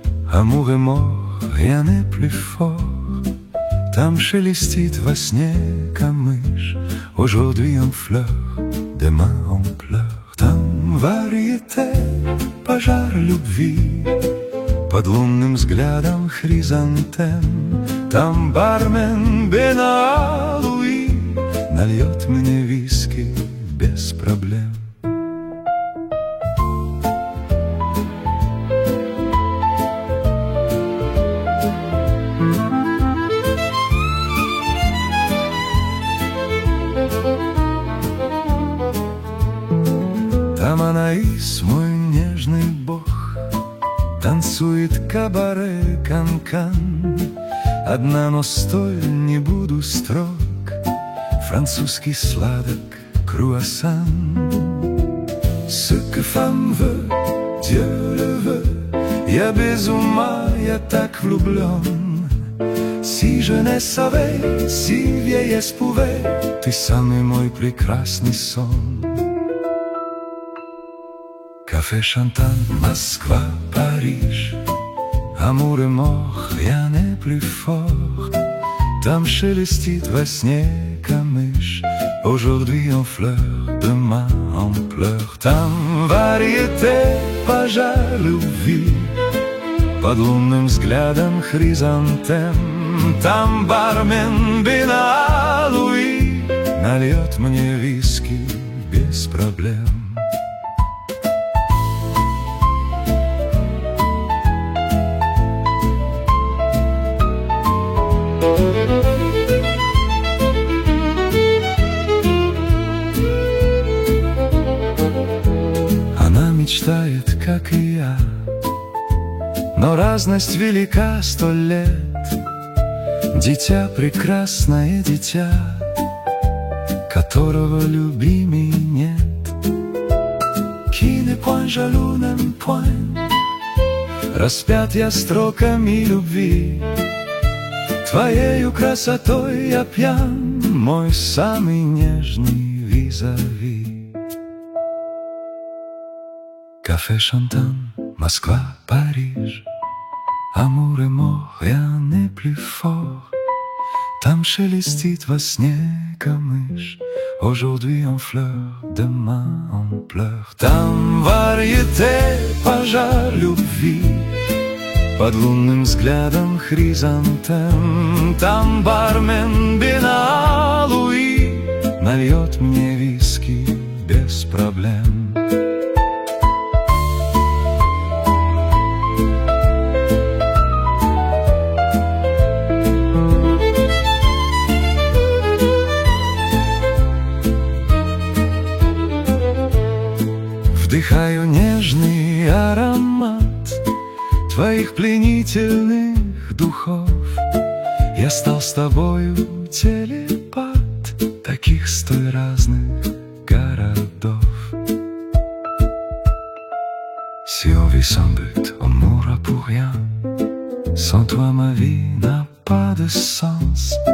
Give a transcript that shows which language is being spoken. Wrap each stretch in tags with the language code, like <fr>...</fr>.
<fr>Amour et mort, rien n'est plus fort.</fr> <ru>Там шелестит во сне камыш.</ru> <fr>Aujourd'hui en fleurs, demain en pleurs.</fr> <ru>Там variété, пожар любви. Под лунным взглядом хризантем. Там бармен Бен-Алуи нальет мне виски без проблем. Там Анаис, мой нежный бог, танцует кабаре кан-кан. Одна, но стоя не буду строг, французский сладок круассан.</ru> <fr>Ce que femme veut, Dieu le veut,</fr> <ru>я без ума, я так влюблен.</ru> <fr>Si je ne savais, si vieillesse pouvait,</fr> <ru>ты самый мой прекрасный сон.</ru> <fr>Café Chantant, Москва, Париж. Amour et mort, rien n'est plus fort.</fr> <ru>Там шелестит во сне камыш.</ru> <fr>Aujourd'hui en fleurs, demain en pleurs.</fr> <ru>Там variété, пожар любви. Под лунным взглядом хризантем. Там бармен Бен-Алуи нальет мне виски без проблем. Мечтает, как и я, но разность велика сто лет. Дитя, прекрасное дитя, которого любимей нет.</ru> <fr>Qui ne point jaloux ne point,</fr> <ru>распят я строками любви. Твоею красотой я пьян, мой самый нежный визави.</ru> <fr>Café Chantant, Москва, Париж. Amour et mort, rien n'est plus fort.</fr> <ru>Там шелестит во сне камыш.</ru> <fr>Aujourd'hui en fleurs, demain en pleurs.</fr> <ru>Там variété, пожар любви. Под лунным взглядом хризантем. Там бармен Бен-Алуи нальет мне виски без проблем. Вдыхаю нежный аромат твоих пленительных духов. Я стал с тобою телепат таких столь разных городов.</ru> <fr>Si on vit sans but, on mourra pour rien. Sans toi ma vie n'a pas de sens.</fr>